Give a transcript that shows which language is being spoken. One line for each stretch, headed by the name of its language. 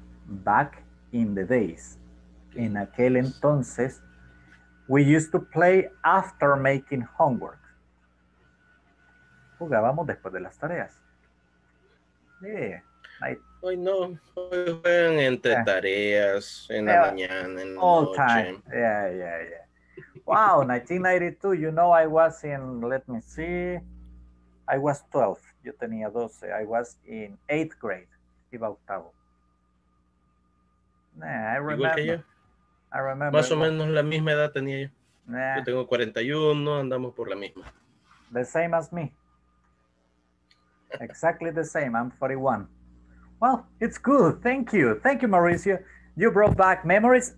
English: Back in the days,
Spanish: en aquel entonces,
English: we used to play after making homework.
Spanish: Jugábamos después de las tareas. Yeah. Hoy no, hoy juegan entre tareas, en la mañana, en la noche.
English: All time, yeah. Wow, 1992, you know, I was in, let me see, I was 12,
Spanish: yo tenía 12,
English: I was in 8th grade,
Spanish: iba octavo.
English: Nah, I remember.
Spanish: Igual que yo. Más o menos la misma edad tenía yo. Nah. Yo tengo 41, andamos por la misma.
English: The same as me. Exactly the same. I'm 41. Well, it's good. Thank you. Thank you, Mauricio. You brought back memories.